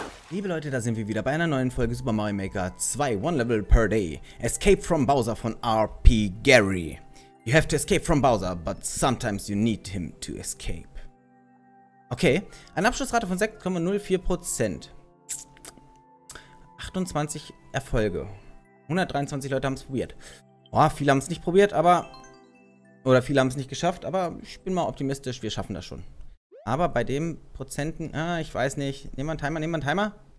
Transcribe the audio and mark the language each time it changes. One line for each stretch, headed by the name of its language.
German: Liebe Leute, da sind wir wieder bei einer neuen Folge Super Mario Maker 2, One Level Per Day. Escape from Bowser von RP Gary.
English: You have to escape from Bowser, but sometimes you need him to escape.
German: Okay, eine Abschlussrate von 6,04%. 28 Erfolge. 123 Leute haben es probiert. Boah, viele haben es nicht probiert, aber... Oder viele haben es nicht geschafft, aber ich bin mal optimistisch, wir schaffen das schon. Aber bei dem Prozenten... Ah, ich weiß nicht. Nehmen wir einen Timer.